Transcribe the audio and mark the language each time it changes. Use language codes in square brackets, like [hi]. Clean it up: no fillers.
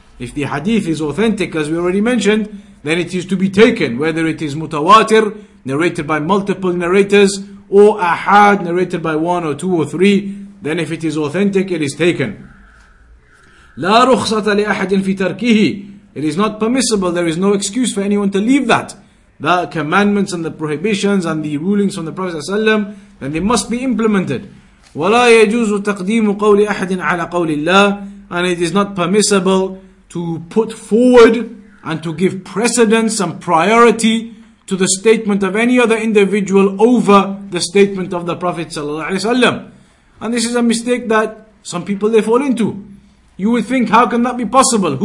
[en] If the hadith is authentic, as we already mentioned, then it is to be taken, whether it is mutawatir, narrated by multiple narrators, or ahad, narrated by one or two or three, then if it is authentic, it is taken. [ar] لا رخصة لأحد في تركه. [en] It is not permissible. There is no excuse for anyone to leave that. The commandments and the prohibitions and the rulings from the Prophet ﷺ, then they must be implemented. [ar] ولا يجوز تقديم قول أحد على قول الله. [en] And it is not permissible to put forward and to give precedence and priority to the statement of any other individual over the statement of the Prophet ﷺ. And this is a mistake that some people they fall into. You would think, how can that be possible?